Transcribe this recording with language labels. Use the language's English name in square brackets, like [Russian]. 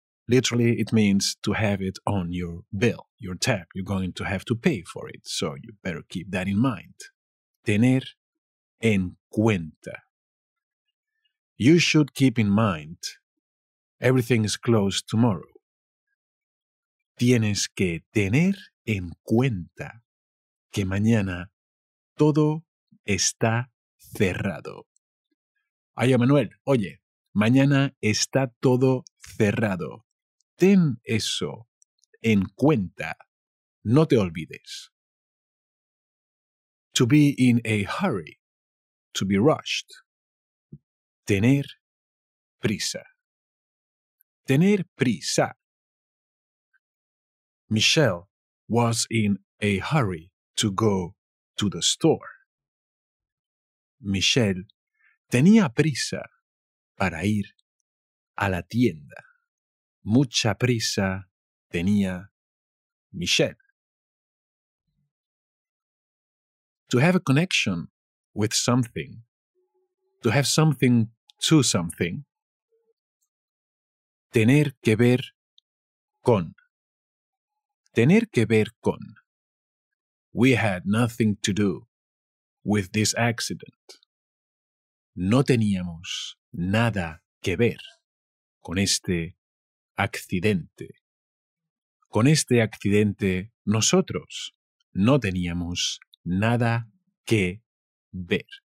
[English] Literally, it means to have it on your bill, your tab. You're going to have to pay for it, so you better keep that in mind. [Spanish] Tener en cuenta. [English] You should keep in mind, everything is closed tomorrow. [Spanish] Tienes que tener en cuenta que mañana todo está cerrado. Ay, Manuel, oye, mañana está todo cerrado. Ten eso en cuenta. No te olvides. [English] To be in a hurry. To be rushed. [Spanish] Tener prisa. Tener prisa. [English] Michelle was in a hurry to go to the store. [Spanish] Michelle tenía prisa para ir a la tienda. Mucha prisa tenía Michelle. [English] To have a connection with something. To have something to something. [Spanish] Tener que ver con. Tener que ver con. [English] We had nothing to do with this accident. [Spanish] No teníamos nada que ver con este accidente. Con este accidente, nosotros no teníamos nada que ver.